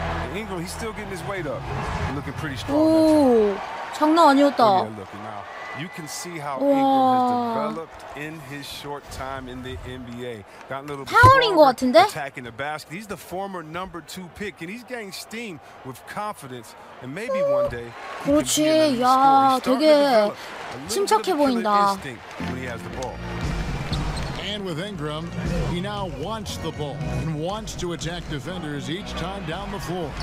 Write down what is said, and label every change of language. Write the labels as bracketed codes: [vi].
[en] Ingram, he's still getting his weight up. Looking pretty strong. [ko] 오, 장난 아니었다. [en] You can see how Ingram has developed in his short time in the NBA. Got a little powering [ko] 것 같은데? [en] Attacking the basket. He's the former number two pick, and he's gaining steam with confidence. And maybe one day. [ko] 그렇지, 야, 되게 침착해 보인다. [en] When he has the ball. And with Ingram, he now wants the ball and wants to attack defenders each time down the floor.